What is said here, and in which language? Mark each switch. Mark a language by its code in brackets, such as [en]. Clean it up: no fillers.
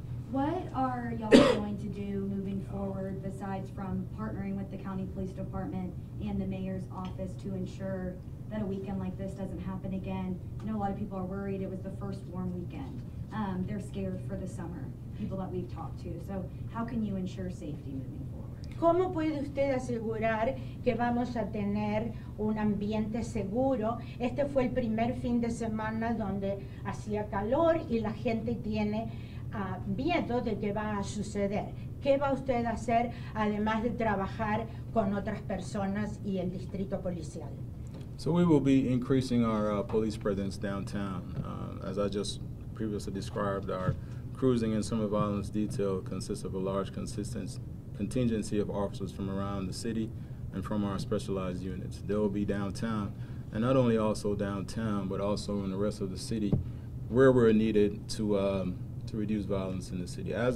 [en] What are y'all going to do moving forward besides from partnering with the County Police Department and the Mayor's Office to ensure that a weekend like this doesn't happen again? I know a lot of people are worried. It was the first warm weekend. They're scared for the summer, people that we've talked to. So how can you ensure safety moving forward? [es] ¿Cómo puede usted asegurar que vamos a tener un ambiente seguro? Este fue el primer fin de semana donde hacía calor y la gente tiene miedo de que va a suceder. ¿Qué va usted a hacer además de trabajar con otras personas y el distrito policial? [en] So we will be increasing our police presence downtown. As I just previously described, our cruising and summer violence detail consists of a large contingency of officers from around the city and from our specialized units. They will be downtown, and not only also downtown, but also in the rest of the city where we're needed to reduce violence in the city.